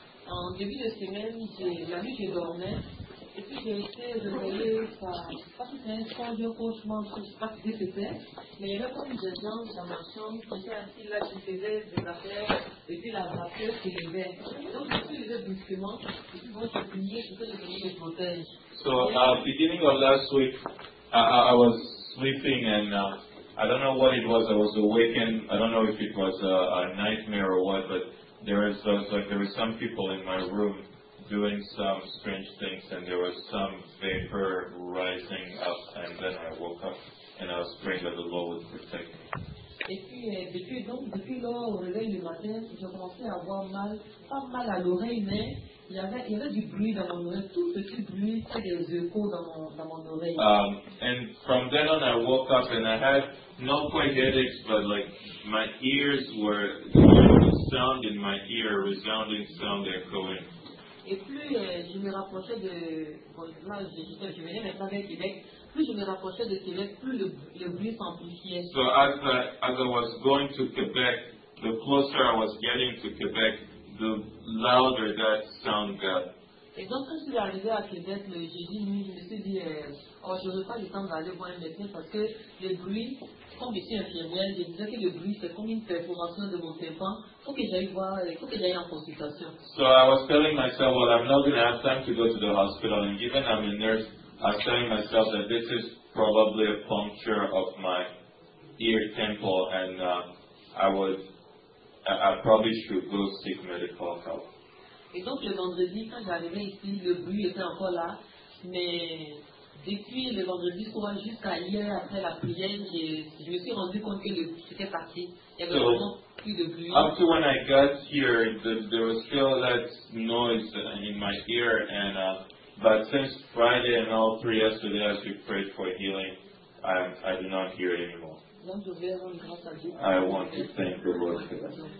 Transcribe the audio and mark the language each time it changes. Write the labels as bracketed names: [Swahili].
[French] en début de semaine, la nuit je dormais, et puis j'ai été réveillée par, pas si c'est un soir, un cauchemar, je ne sais pas ce que c'était, mais il y avait comme des gens dans ma chambre, qui étaient assis là, qui faisaient des affaires, et puis la vapeur qui levait. Donc je suis levée brusquement, et puis bon, je suis prié pour que le Seigneur me protège. [English] So, beginning of last week, I was sleeping, and I don't know what it was, I was awakened, I don't know if it was a nightmare or what, but there was some people in my room doing some strange things, and there was some vapor rising up, and then I woke up, and I was praying that the Lord would protect me. [French] Et puis, depuis lors, au réveil du matin, j'ai commencé à avoir mal, pas mal à l'oreille, mais il y avait du bruit dans mon oreille, tout petit bruit, c'est des échos dans mon oreille. [English] And from then on, I woke up, and I had not quite headaches, but like, my ears were, the sound in my ear, resounding sound echoing. [French] Et plus je me rapprochais de, bon, là, je venais maintenant vers Québec, plus je me rapprochais de Québec, plus le bruit s'amplifiait. [English] So as I was going to Québec, the closer I was getting to Québec, the louder that sound got. [French] Et donc quand je suis arrivé à Québec le jeudi nuit, je me suis dit, oh, je n'aurai pas le temps d'aller voir un médecin parce que le bruit, comme je suis infirmière, je disais que le bruit c'est comme une perforation de mon tympan. Faut que j'aille en consultation. [English] So I was telling myself, well, I'm not going to have time to go to the hospital, and given I'm a nurse, I'm telling myself that this is probably a puncture of my ear temple, and I probably should go seek medical help. [French] Et donc le vendredi, quand j'arrivais ici, le bruit était encore là, mais depuis le vendredi soir jusqu'à hier après la prière, je me suis rendu compte que c'était parti. Il n'y avait vraiment plus de bruit. [English] Up to when I got here, there was still that noise in my ear, and but since Friday and all through yesterday, as we prayed for healing, I do not hear it anymore. [French] Donc je vais rendre grâce à Dieu. [English] I want to thank the Lord for that.